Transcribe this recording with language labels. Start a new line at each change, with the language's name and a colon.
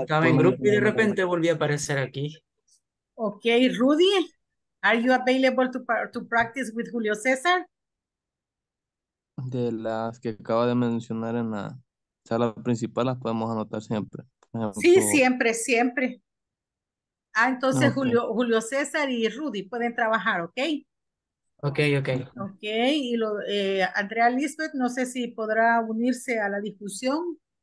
Spanish: Estaba en grupo y de repente volví a aparecer aquí.
English: Okay, Rudy, are you available to practice with Julio César?
Spanish: De las que acaba de mencionar en la sala principal, las podemos anotar siempre. Sí, siempre, siempre. Ah, entonces okay. Julio, Julio César y Rudy pueden trabajar, ¿ok? Ok, ok. Ok, y lo, Andrea Lisbeth, no sé si podrá unirse a la discusión.